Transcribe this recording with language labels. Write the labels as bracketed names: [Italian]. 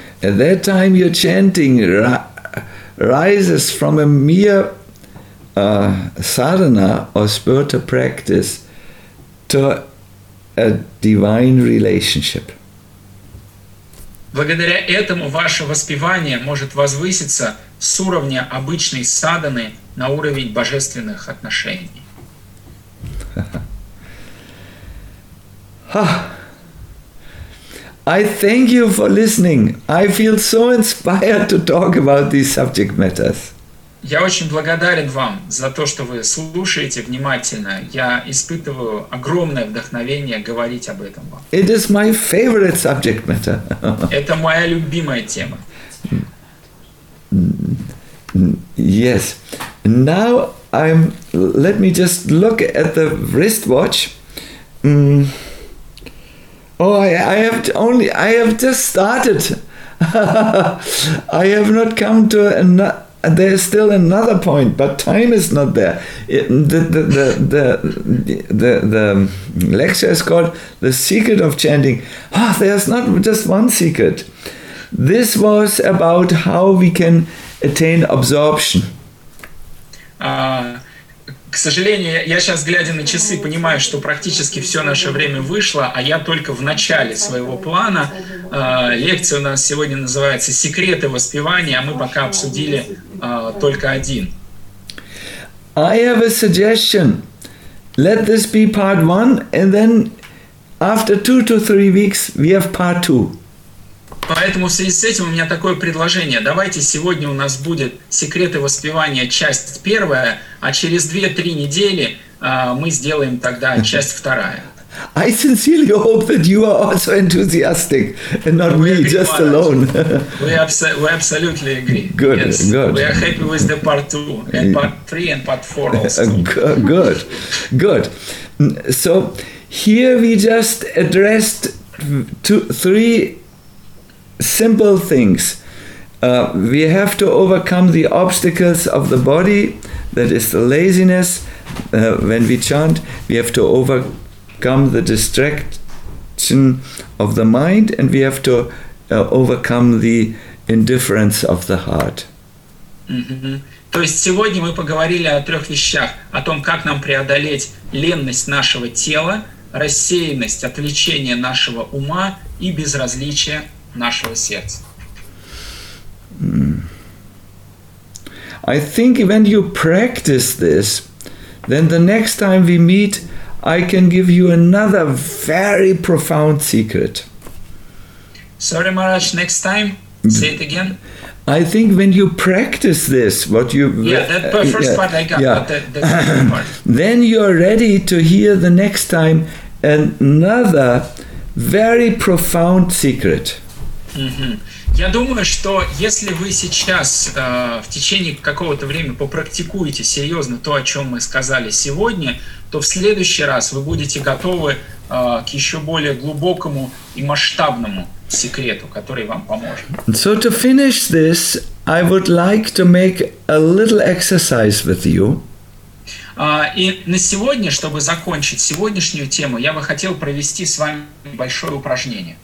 [English] At that time your chanting rises from a mere sadhana or spiritual practice to a divine relationship. [Russian] Благодаря этому ваше воспевание может возвыситься с уровня обычной садханы на уровень божественных отношений. [English] I thank you for listening. I feel so inspired to talk about these subject matters. [Russian] Я очень благодарен вам за то, что вы слушаете внимательно. Я испытываю огромное вдохновение говорить об этом вам. [English] It is my favorite subject matter. [Russian] Это моя любимая тема. [English] Yes. Now I'm. Let me just look at the wristwatch. Oh, I have just started. I have not come to there's still another point, but time is not there. The lecture is called The Secret of Chanting. Oh, there's not just one secret. This was about how we can attain absorption. [Russian] К сожалению, я сейчас, глядя на часы, понимаю, что практически все наше время вышло, а я только в начале своего плана. Лекция у нас сегодня называется «Секреты воспевания», а мы пока обсудили только один. [English] I have a suggestion. Let this be part one, and then after 2 to 3 weeks we have part two. [Russian] Поэтому в связи с этим у меня такое предложение. Давайте сегодня у нас будет «Секреты воспевания» часть первая, а через 2-3 недели мы сделаем тогда часть вторая. [English] I sincerely hope that you are also enthusiastic and not me, just alone. We absolutely agree. Good, yes. Good. We are happy with the part two, and part three, and part four also. Good, good. So, here we just addressed three simple things. We have to overcome the obstacles of the body, that is the laziness when we chant. We have to overcome the distraction of the mind, and we have to overcome the indifference of the heart. Mm-hmm. [Russian] То есть сегодня мы поговорили о трех вещах, о том, как нам преодолеть ленность нашего тела, рассеянность, отвлечение нашего ума и безразличие нашего сердца. [English] I think when you practice this, then the next time we meet, I can give you another very profound secret. Sorry, Maharaj, next time, say it again. I think when you practice this, what you... Yeah, that first part I got, but the second part. Then you're ready to hear the next time another very profound secret. [Russian] Я думаю, что если вы сейчас в течение какого-то времени попрактикуете серьезно то, о чем мы сказали сегодня, то в следующий раз вы будете готовы к еще более глубокому и масштабному секрету, который вам поможет. [English] So to finish this, I would like to make a little exercise with you. [Russian] И на сегодня, чтобы закончить сегодняшнюю тему, я бы хотел провести с вами большое упражнение.